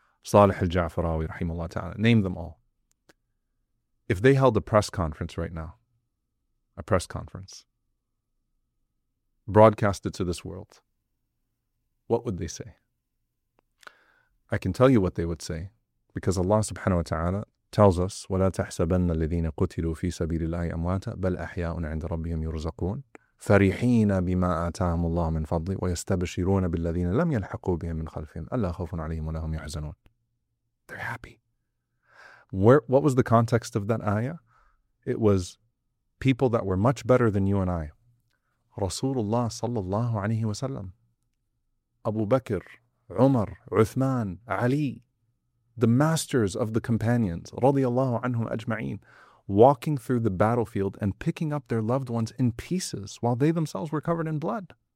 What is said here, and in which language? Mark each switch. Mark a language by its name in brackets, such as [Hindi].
[English] Salih al-Ja'farawi, rahimahullah ta'ala, name them all. If they held a press conference right now, a press conference, broadcasted to this world, what would they say? I can tell you what they would say, because Allah subhanahu wa ta'ala tells us, [Arabic] وَلَا تَحْسَبَنَّ الَّذِينَ قُتِلُوا فِي سَبِيلِ اللَّهِ أَمْوَاتًا بَلْ أَحْيَاءٌ عِنْدَ رَبِّهِمْ يُرْزَقُونَ فرحين بما آتاهم الله من فضله ويستبشرون بالذين لم يلحقوا بهم من خلفهم ألا خوف عليهم ولا هم يحزنون. [English] They're happy. What was the context of that ayah? It was people that were much better than you and I. Rasulullah sallallahu alayhi wa sallam, Abu Bakr, Umar, Uthman, Ali, the masters of the companions, [Arabic] radiallahu anhum ajma'een, [English] walking through the battlefield and picking up their loved ones in pieces while they themselves were covered in blood.